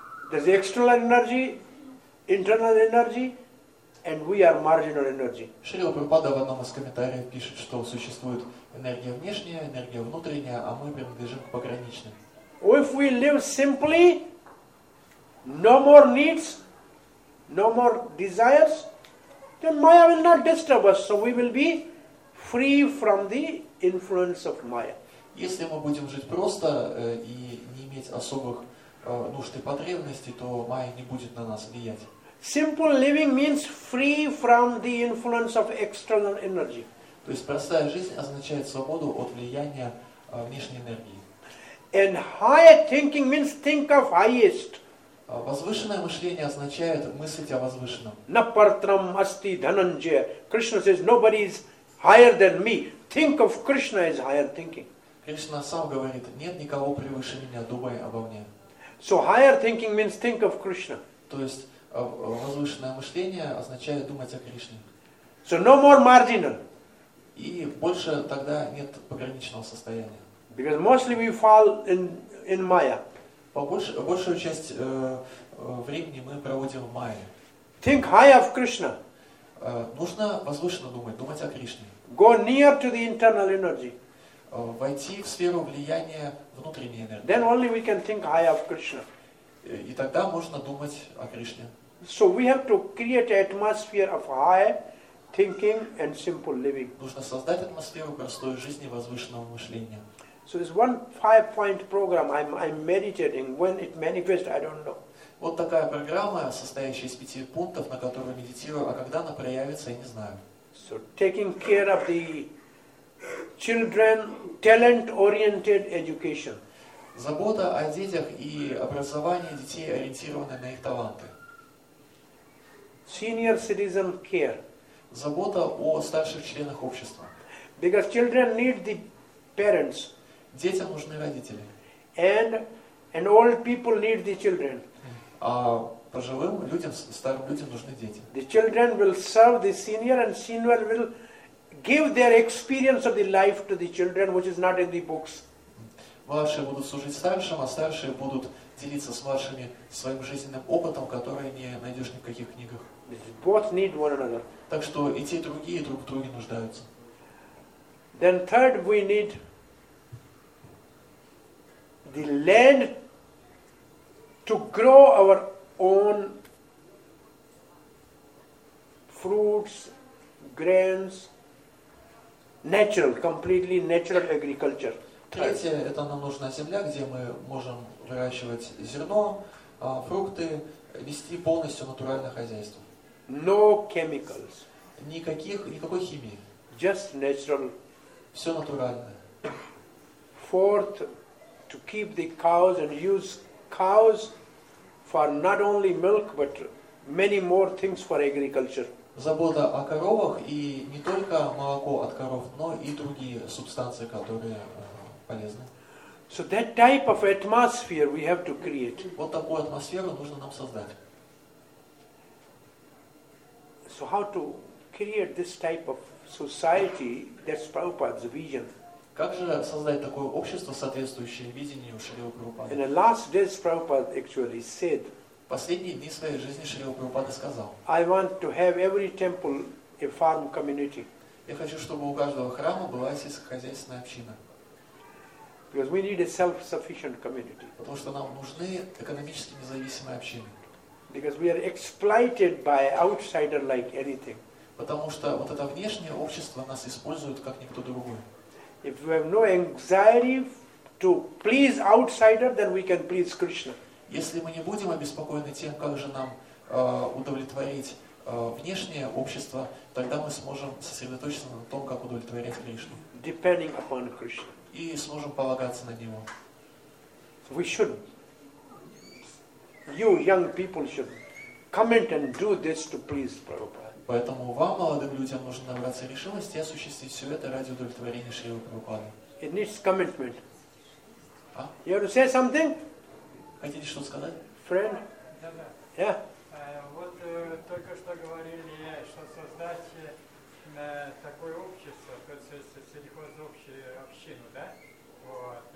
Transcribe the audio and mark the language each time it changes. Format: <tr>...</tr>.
<en>There's external energy, internal energy, and we are marginal energy.</en> <ru>Шрила Прабхупада в одном из комментариев пишет, что существует энергия внешняя, энергия внутренняя, а мы принадлежим к пограничным.</ru> <en>If we live simply, no more needs, no more desires, then Maya will not disturb us, so we will be free from the influence of Maya.</en> <ru>Если мы будем жить просто и не иметь особых нужд и потребностей, то Майя не будет на нас влиять.</ru> <en>Simple living means free from the influence of external energy.</en> <ru>То есть простая жизнь означает свободу от влияния внешней энергии.</ru> <en>And higher thinking means think of highest.</en> <ru>Возвышенное мышление означает мыслить о возвышенном.</ru> <sa>На партрам асти дхананджая.</sa> <en>Krishna says nobody is higher than me. Think of Krishna as higher thinking.</en> <ru>Кришна сам говорит: нет никого превыше меня, думай обо мне.</ru> <en>So higher thinking means think of Krishna.</en> <ru>То есть возвышенное мышление означает думать о Кришне.</ru> <en>So no more marginal.</en> <ru>И больше тогда нет пограничного состояния.</ru> <en>Because mostly we fall in Maya.</en> <ru>Большую часть времени мы проводим в Майе.</ru> <en>Think high of Krishna.</en> <ru>Нужно возвышенно думать о Кришне.</ru> <en>Go near to the internal energy.</en> <ru>Войти в сферу влияния внутренней энергии.</ru> <en>Then only we can think high of Krishna.</en> <ru>И тогда можно думать о Кришне.</ru> <en>So we have to create an atmosphere of high thinking and simple living.</en> <ru>Нужно создать атмосферу простой жизни, возвышенного мышления.</ru> <en>So this one 5-point program I'm meditating. When it manifests, I don't know.</en> <ru>Вот такая программа, состоящая из 5 пунктов, на которую медитирую, а когда она проявится, я не знаю.</ru> <en>So taking care of the children, talent-oriented education.</en> <ru>Забота о детях и образование детей, ориентированное на их таланты.</ru> <en>Senior citizen care.</en> <ru>Забота о старших членах общества.</ru> <en>Because children need the parents.</en> <ru>Детям нужны родители.</ru> <en>And old people need the children.</en> <ru>А пожилым людям, старым людям нужны дети.</ru> <en>The children will serve the senior and senior will give their experience of the life to the children, which is not in the books.</en> <ru>Младшие будут служить старшим, а старшие будут делиться с младшими своим жизненным опытом, который не найдешь ни в каких книгах.</ru> <en>Both need one another.</en> <ru>Так что и те, и другие друг в друге нуждаются.</ru> <en>Then third we need the land to grow our own fruits, grains, natural, completely natural agriculture.</en> <ru>Третье, это нам нужна земля, где мы можем выращивать зерно, фрукты, вести полностью натуральное хозяйство.</ru> <en>No chemicals.</en> <ru>Никакой химии.</ru> <en>Just natural.</en> <ru>Все натуральное.</ru> <en>Fourth, to keep the cows and use cows for not only milk but many more things for agriculture.</en> <ru>Забота о коровах и не только молоко от коров, но и другие субстанции, которые полезны.</ru> <en>So that type of atmosphere we have to create.</en> <ru>Вот такую атмосферу нужно нам создать.</ru> <en>So how to create this type of society? That's Prabhupada's vision.</en> <ru>Как же создать такое общество, соответствующее видению Шрилы Прабхупады?</ru> <en>In the last days, Prabhupada actually said</en> <ru>последние дни своей жизни Шрила Прабхупада сказал:</ru> <en>I want to have every temple a farm community.</en> <ru>Я хочу, чтобы у каждого храма была сельскохозяйственная община.</ru> <en>Because we need a self-sufficient community.</en> <ru>Потому что нам нужны экономически независимые общины.</ru> <en>Because we are exploited by outsider like anything.</en> <ru>Потому что вот это внешнее общество нас использует как никто другой.</ru> <en>If we have no anxiety to please outsider, then we can please Krishna.</en> <ru>Если мы не будем обеспокоены тем, как же нам удовлетворить внешнее общество, тогда мы сможем сосредоточиться на том, как удовлетворять Кришну.</ru> <en>Depending upon Krishna.</en> <ru>И сможем полагаться на него.</ru> <en>We should. You young people should comment and do this to please Prabhupada.</en> <ru>Поэтому вам, молодым людям, нужно набраться решимости и осуществить все это ради удовлетворения Шрилы Прабхупады.</ru> <en>It needs commitment.</en> <ru>А?</ru> <en>You have to say something?</en> <ru>Хотите что-то сказать?</ru> <en>Friend?</en> <ru>Да, да.</ru> <en>Yeah.</en> <ru>Вот только что говорили, что создать такое общество, то есть сельхозобщую общину, да? Вот.</ru>